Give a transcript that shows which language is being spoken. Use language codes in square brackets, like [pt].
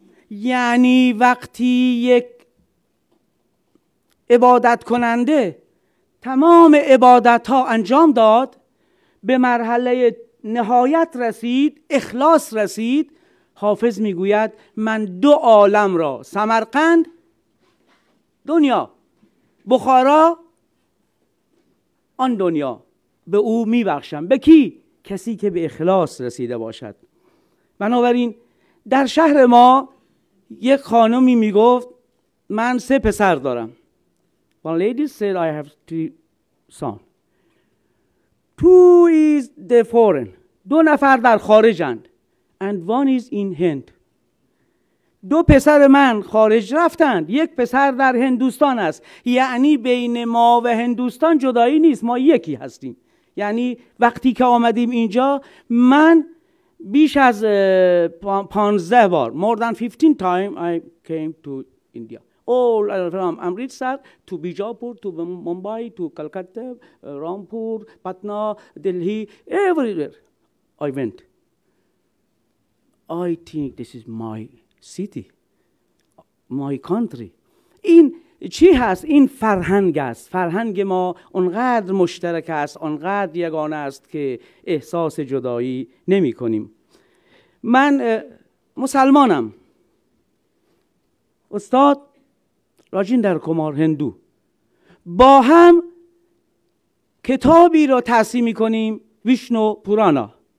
[fa] یعنی وقتی یک عبادت کننده تمام عبادت ها انجام داد به مرحله نهایت رسید، اخلاص رسید، حافظ میگوید من دو عالم را، سمرقند دنیا، بخارا آن دنیا به او میبخشم. به کی؟ کسی که به اخلاص رسیده باشد. بنابراین در شهر ما یک خانمی میگفت من سه پسر دارم. [en] One lady said I have three sons. Two is the foreign. [fa] دو نفر در خارجند. [en] And one is in Hind. [fa] دو پسر من خارج رفتند. یک پسر در هندوستان است. یعنی بین ما و هندوستان جدایی نیست. ما یکی هستیم. یعنی وقتی که آمدیم اینجا من بیش از 15 بار [en] more than 15 time I came to India all from Amritsar to Bijapur to Mumbai to Calcutta Rampur Patna Delhi everywhere I went I think this is my city my country in [fa] چی هست؟ این فرهنگ است. فرهنگ ما انقدر مشترک است، انقدر یگانه است که احساس جدایی نمی کنیم. من مسلمانم. استاد راجیندر کومار هندو. با هم کتابی را تصحیح می کنیم، ویشنو پورانا.